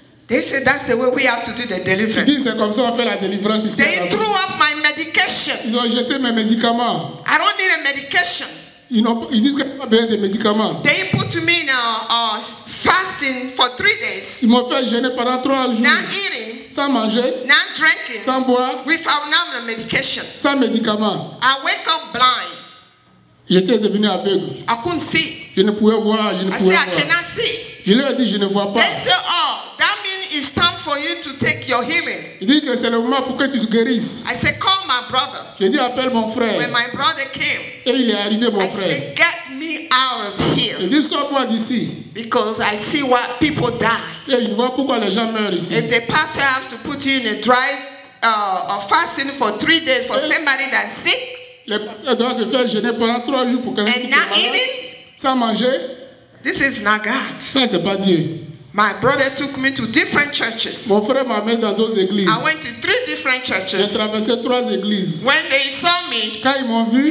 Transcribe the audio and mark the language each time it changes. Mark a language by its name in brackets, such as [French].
[English] They say that's the way we have to do the deliverance. [French] Ils disent c'est comme ça on fait la délivrance ici. [English] They threw up my medication. [French] Ils ont jeté mes médicaments. [English] I don't need a medication. [French] Ils disent qu'ils n'ont pas besoin de médicaments. [English] They put me in a fasting for 3 days. [French] Ils m'ont fait jeûner pendant 3 jours. [English] Not eating. [French] Sans manger. [English] Not drinking. [French] Sans boire. [English] Without any medication. [French] Sans médicaments. [English] I wake up blind. [French] J'étais devenu aveugle. [English] I couldn't see. [French] Je ne pouvais voir. Je ne [English] I [French] pouvais [English] say, [French] voir. [English] I cannot see. [French] Je leur ai dit je ne vois pas. [English] They said, oh, that means it's time for you to take your healing. [French] Il dit que c'est le moment pour que tu guérisses. [English] I said, call my brother. [French] J'ai dit, appelle mon frère. [English] When my brother came, [French] et il est arrivé, mon frère. [English] I said, get me out of here. [French] Il dit, sors-moi d'ici. [English] Because I see why people die. [French] Et je vois pourquoi les gens meurent ici. [English] If the pastor have to put you in a dry fasting for 3 days for somebody that's sick. [French] Le pasteur doit te faire jeûner pendant 3 jours pour quelqu'un qui est malade, sans manger. [English] This is not God. [French] Ça, c'est pas Dieu. [English] My brother took me to different churches. [French] Mon frère m'a amené dans deux églises. [English] I went to 3 different churches. [French] J'ai traversé 3 églises. [English] When they saw me, [French] quand ils m'ont vu,